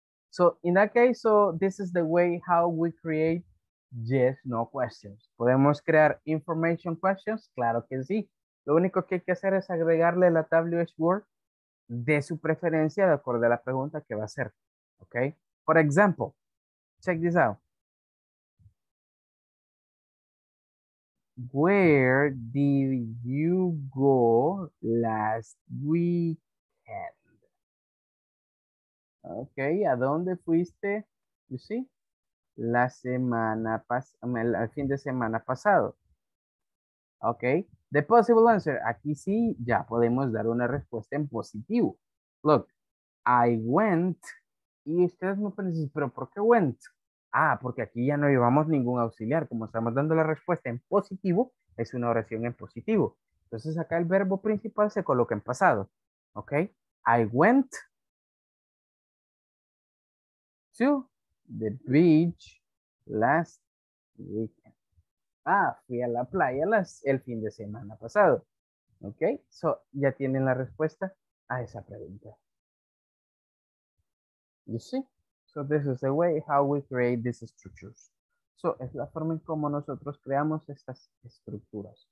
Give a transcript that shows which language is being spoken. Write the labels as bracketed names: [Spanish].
[English] So in that case, so this is the way how we create yes, no questions. [Spanish] ¿Podemos crear information questions? Claro que sí. Lo único que hay que hacer es agregarle la WH word de su preferencia de acuerdo a la pregunta que va a hacer. [English] Ok. For example, check this out. Where did you go last weekend? [Spanish] Ok, ¿a dónde fuiste? [English] You see? [Spanish] La semana pasada, el fin de semana pasado. Ok, [English] the possible answer. [Spanish] Aquí sí ya podemos dar una respuesta en positivo. [English] Look, I went. [Spanish] Y ustedes me preguntan, ¿pero por qué went? Ah, porque aquí ya no llevamos ningún auxiliar. Como estamos dando la respuesta en positivo, es una oración en positivo. Entonces acá el verbo principal se coloca en pasado. [English] Ok, I went to the beach last weekend. [Spanish] Ah, fui a la playa el fin de semana pasado. Ok, so ya tienen la respuesta a esa pregunta. [English] You see? So this is the way how we create these structures. [Spanish] So es la forma en cómo nosotros creamos estas estructuras.